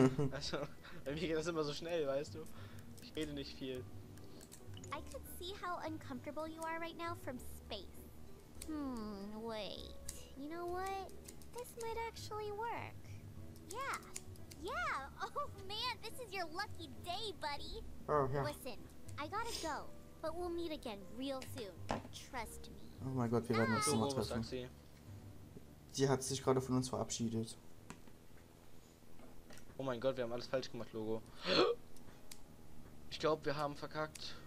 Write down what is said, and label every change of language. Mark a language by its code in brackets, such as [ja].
[de] Also, bei mir geht das immer so schnell, weißt du? Ich rede nicht viel. [en] I could see how uncomfortable you are right now from space. Wait. You know what? This might actually work. Yeah. Yeah. Oh man, this is your lucky day, buddy. Oh, yeah. Listen, I gotta go. But we'll meet again real soon. Trust me. [de] Oh mein Gott, wir werden uns nochmal treffen. Was sagt sie? Die hat sich gerade von uns verabschiedet. Oh mein Gott, wir haben alles falsch gemacht, Logo. Ich glaube, wir haben verkackt.